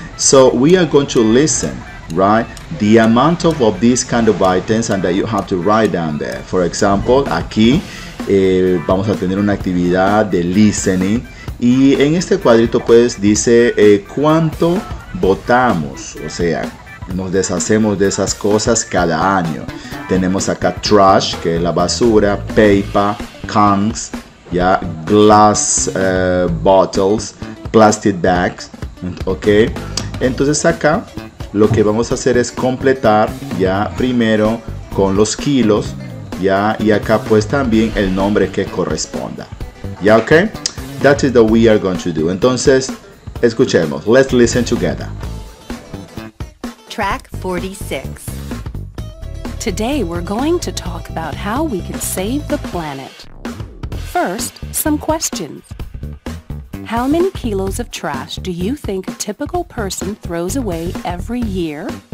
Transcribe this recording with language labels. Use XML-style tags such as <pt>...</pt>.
<en>So we are going to listen, right, the amount of these kind of items, and that you have to write down there. For example,</en> <es>aquí vamos a tener una actividad de listening, y en este cuadrito pues dice cuánto botamos, o sea, nos deshacemos de esas cosas cada año. Tenemos acá trash, que es la basura, paper, cans, ya, glass bottles, plastic bags, ok. Entonces acá lo que vamos a hacer es completar ya primero con los kilos, ya, y acá pues también el nombre que corresponda, ya, ok.</es> <en>That is what we are going to do.</en> <es>Entonces, escuchemos.</es> <en>Let's listen together. Track 46. Today we're going to talk about how we can save the planet. First, some questions. How many kilos of trash do you think a typical person throws away every year?</en>